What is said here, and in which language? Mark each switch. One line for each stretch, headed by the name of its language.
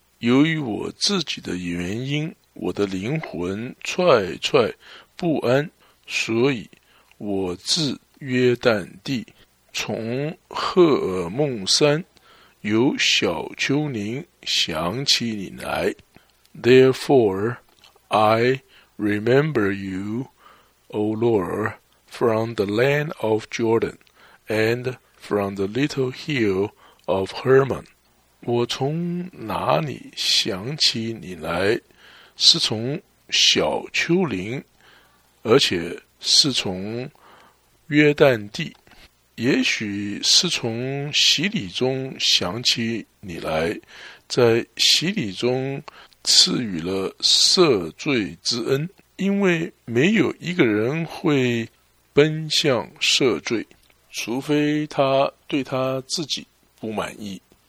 Chinese: 由于我自己的原因，我的灵魂踹踹不安，所以我自约旦地，从赫尔孟山，由小丘陵想起你来。
English: Therefore I remember you, O Lord, from the land of Jordan and from the little hill of Hermon.
Chinese: 我从哪里想起你来，是从小丘陵，而且是从约旦地，也许是从洗礼中想起你来，在洗礼中赐予了赦罪之恩，因为没有一个人会奔向赦罪，除非他对他自己不满意，